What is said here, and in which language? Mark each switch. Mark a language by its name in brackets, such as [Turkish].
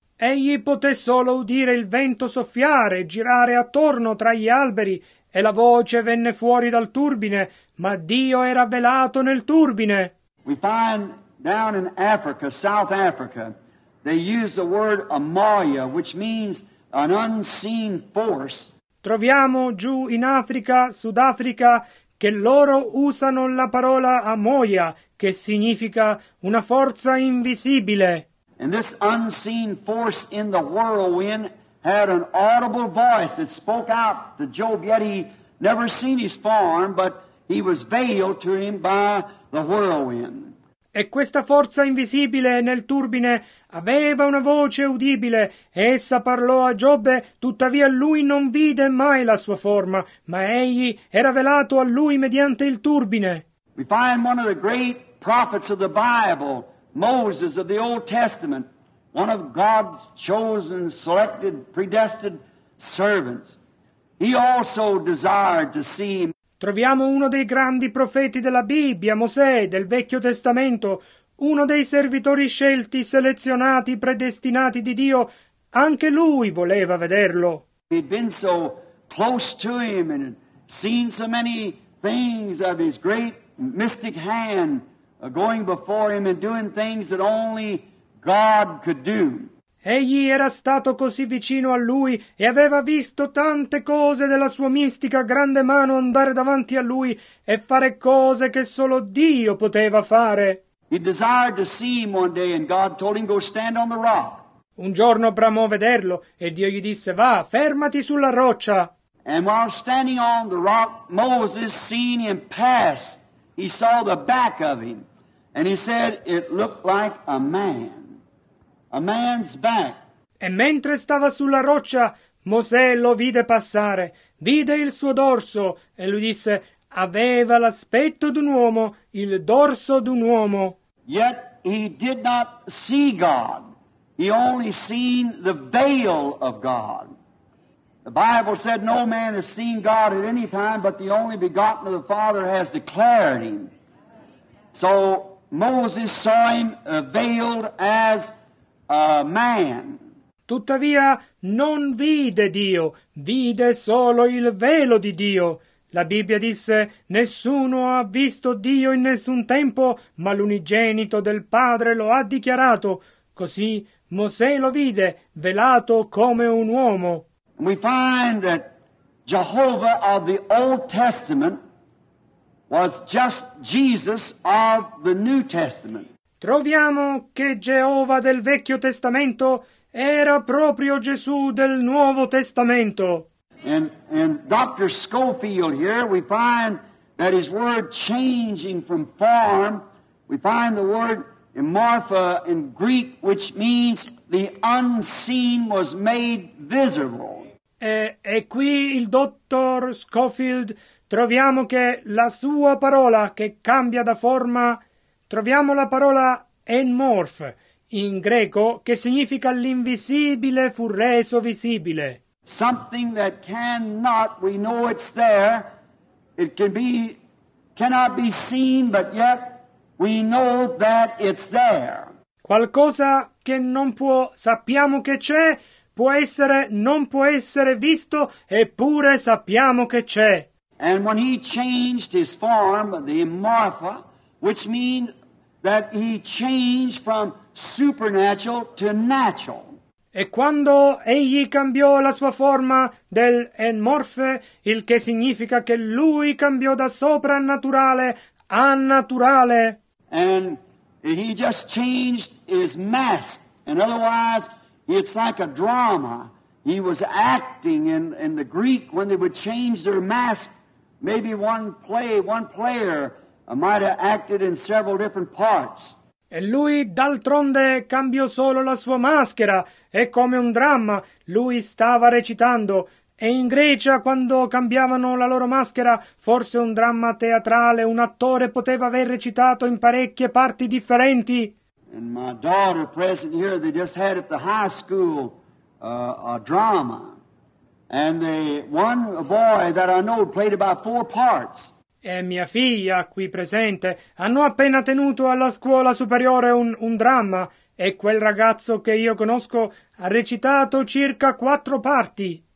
[Italian] Egli poté solo udire il vento soffiare, girare attorno tra gli alberi, e la voce venne fuori dal turbine, ma Dio era velato nel turbine. [English] We find down in Africa, South Africa, they use the word Amaya, which means an unseen force. [Italian] Troviamo giù in Africa, Sudafrica, che loro usano la parola Amaya, che significa una forza invisibile. [English] And this unseen force in the whirlwind had an audible voice that spoke out to Job, yet he never seen his form, but he was veiled to him by the whirlwind. [Italian] E questa forza invisibile nel turbine aveva una voce udibile. Essa parlò a Giobbe, tuttavia lui non vide mai la sua forma, ma egli era velato a lui mediante il turbine. [English] We find one of the great prophets of the Bible, Moses of the Old Testament, one of God's chosen, selected, predestined servants. He also desired to see him. [Italian] Troviamo uno dei grandi profeti della Bibbia, Mosè, del Vecchio Testamento, uno dei servitori scelti, selezionati, predestinati di Dio. Anche lui voleva vederlo. [English] He'd been so close to him and seen so many things of his great mystic hand going before him and doing things that only God could do. [Italian] Egli era stato così vicino a lui e aveva visto tante cose della sua mistica grande mano andare davanti a lui e fare cose che solo Dio poteva fare. [English] He desired to see him one day and God told him go stand on the rock. [Italian] Un giorno bramò vederlo e Dio gli disse va, fermati sulla roccia. [English] And while standing on the rock, Moses seen him pass. He saw the back of him and he said it looked like a man. A man's back. [Italian] E mentre stava sulla roccia, Mosè lo vide passare, vide il suo dorso, e lui disse, aveva l'aspetto d'un uomo, il dorso d'un uomo. [English] Yet he did not see God. He only seen the veil of God. The Bible said no man has seen God at any time, but the only begotten of the Father has declared him. So Moses saw him veiled as a man. [Italian] Tuttavia non vide Dio, vide solo il velo di Dio. La Bibbia disse, nessuno ha visto Dio in nessun tempo, ma l'unigenito del Padre lo ha dichiarato. Così Mosè lo vide, velato come un uomo. [English] We find that Jehovah of the Old Testament was just Jesus of the New Testament. [Italian] Troviamo che Geova del Vecchio Testamento era proprio Gesù del Nuovo Testamento. [English] In Dr. Schofield here we find that his word changing from form, we find the word Amorpha in Greek, which means the unseen was made visible. [Italian] E qui il dottor Scofield troviamo che la sua parola che cambia da forma, troviamo la parola enmorph in greco che significa l'invisibile fu reso visibile. [English] Something that cannot, we know it's there, it can be, cannot be seen, but yet we know that it's there. [Italian] Qualcosa che non può, sappiamo che c'è, può essere, non può essere visto, eppure sappiamo che c'è. [English] And when he changed his form, the Martha, which means that he changed from supernatural to natural. [Italian] E quando egli cambiò la sua forma del enmorfe, il che significa che lui cambiò da soprannaturale a naturale. [English] And he just changed his mask. And otherwise, it's like a drama. He was acting in the Greek when they would change their mask. Maybe one player might have acted in several different parts. [Italian] E lui d'altronde cambiò solo la sua maschera, e come un dramma lui stava recitando. E in Grecia, quando cambiavano la loro maschera, forse un dramma teatrale, un attore poteva aver recitato in parecchie parti differenti. [English] And my daughter present here, they just had at the high school a drama. And one boy that I know played about four parts. [Italian] E mia figlia, qui presente, hanno appena tenuto alla scuola superiore un dramma, e quel ragazzo che io conosco ha recitato circa quattro parti.